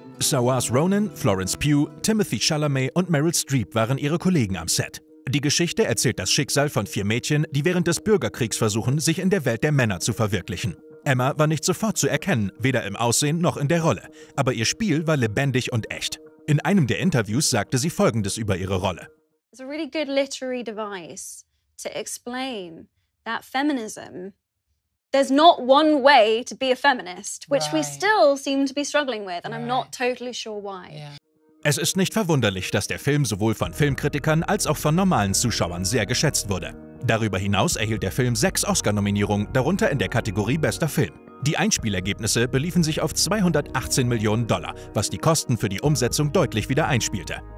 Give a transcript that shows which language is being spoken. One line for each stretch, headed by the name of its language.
German: Saoirse Ronan, Florence Pugh, Timothy Chalamet und Meryl Streep waren ihre Kollegen am Set. Die Geschichte erzählt das Schicksal von vier Mädchen, die während des Bürgerkriegs versuchen, sich in der Welt der Männer zu verwirklichen. Emma war nicht sofort zu erkennen, weder im Aussehen noch in der Rolle. Aber ihr Spiel war lebendig und echt. In einem der Interviews sagte sie Folgendes über ihre Rolle.
English: It's a really good literary device to explain that feminism, there's not one way to be a feminist, which right. we still seem to be struggling with, and right. I'm not totally sure why. Yeah.
German: Es ist nicht verwunderlich, dass der Film sowohl von Filmkritikern als auch von normalen Zuschauern sehr geschätzt wurde. Darüber hinaus erhielt der Film 6 Oscar-Nominierungen, darunter in der Kategorie Bester Film. Die Einspielergebnisse beliefen sich auf 218 Millionen Dollar, was die Kosten für die Umsetzung deutlich wieder einspielte.